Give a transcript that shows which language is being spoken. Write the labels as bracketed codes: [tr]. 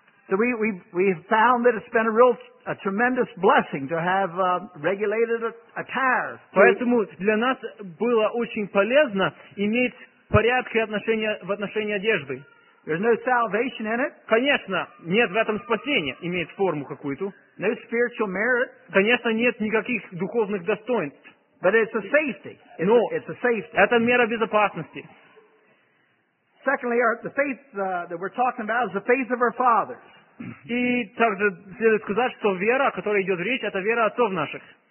[en] So we've found that it's been a tremendous blessing to have regulated attires. [ru] Поэтому для нас было очень полезно иметь порядки отношения в отношении одежды. [en] There's no salvation in it. [ru] Конечно, нет в этом спасения, имеет форму какую-то. [en] No spiritual merit. [ru] Конечно, нет никаких духовных достоинств. [en] But it's a safety. It's a safety. [ru] Это мера безопасности. [en] Secondly, the faith that we're talking about is the faith of our fathers. [ru] И также следует сказать, что вера, о которой идет речь, это вера отцов наших.